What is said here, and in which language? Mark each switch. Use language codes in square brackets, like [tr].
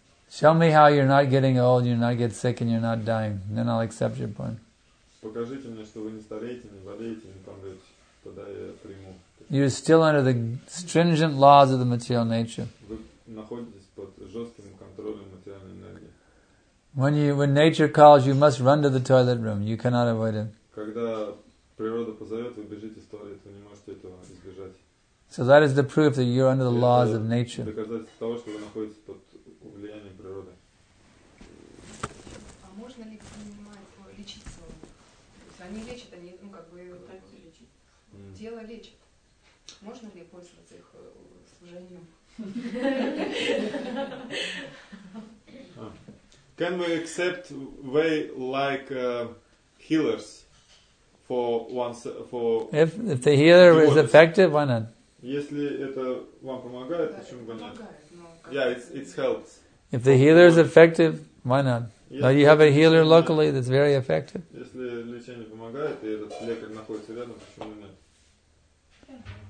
[en] Show me how you're not getting old, you're not getting sick, and you're not dying. Then I'll accept your point. [ru] Покажите мне, что вы не стареете, не болеете, не помрете. Тогда я приму. [en] You're still under the stringent laws of the material nature. [ru] Вы находитесь под жестким контролем материальной энергии. [en] When nature calls, you must run to the toilet room. You cannot avoid it. [ru] Когда природа позовет, вы бежите в туалет, вы не можете этого избежать. [en] So that is the proof that you're under the [ru] это [en] laws of nature. [ru] Доказательство того, что вы находитесь под влиянием природы. А можно ли принимать, лечить слово? То есть они лечат, они, ну, как бы, так и лечат. Тело лечит. Можно ли пользоваться их служением? [en] Can we accept way like healers? If the healer is effective, why not? [ru] Если это вам помогает, почему бы нет? [en] Yeah, it's helps. If the healer is effective, why not? Now you have a healer locally that's very effective. [ru] Если лечение помогает и этот лекарь находится рядом, почему нет?